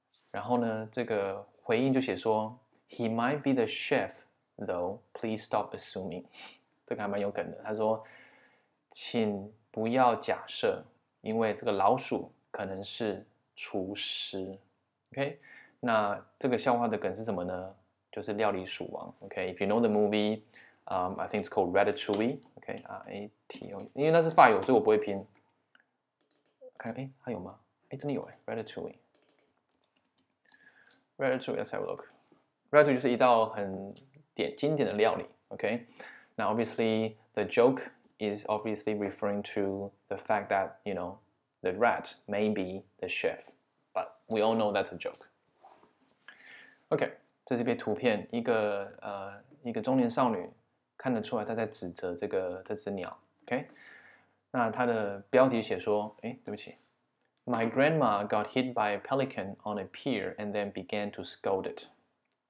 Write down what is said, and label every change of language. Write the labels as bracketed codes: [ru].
[zh] 然后呢，这个回应就写说 ， [en] He might be the chef, though. Please stop assuming. [zh] 这个还蛮有梗的。他说，请不要假设，因为这个老鼠可能是厨师。 OK， 那这个笑话的梗是什么呢？就是料理鼠王。 [en] OK，if、okay? you know the movie, I think it's called Ratatouille. [zh] OK， Ratatouille， 因为那是法语，所以我不会拼。看，还有吗？真的有Ratatouille。 [en] Ratatouille, let's have a look. Ratatouille [zh] 就是一道很经典的料理。 [en] OK， now obviously the joke is obviously referring to the fact that you know the rat may be the chef, but we all know that's a joke. OK。 [zh] 在这边图片，一个中年少女看得出来，她在指责这只鸟。 [en] OK， [zh] 那她的标题写说：“对不起 [en] ，My grandma got hit by a pelican on a pier and then began to scold it。”